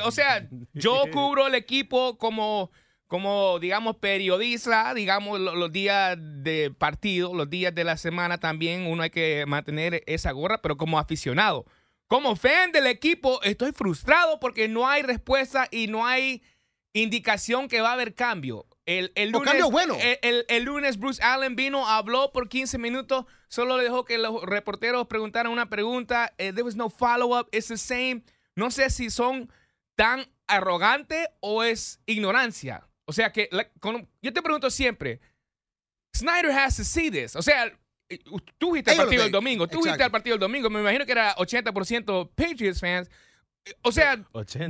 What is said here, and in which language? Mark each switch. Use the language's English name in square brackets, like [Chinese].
[Spanish] O sea, yo cubro el equipo como digamos, periodista, digamos, los días de partido, los días de la semana también, uno hay que mantener esa gorra, pero como aficionado. Como fan del equipo, estoy frustrado porque no hay respuesta y no hay indicación que va a haber cambio. El lunes, cambio bueno. El lunes Bruce Allen vino, habló por 15 minutos, solo le dejó que los reporteros preguntaran una pregunta. [English] There was no follow-up, it's the same. [Spanish] No sé si son tan arrogantes o es ignorancia. O sea que, yo te pregunto siempre, [English] Snyder has to see this. [Spanish] O sea, tú viste el partido el domingo. Me imagino que era 80% Patriots fans. O sea, 80.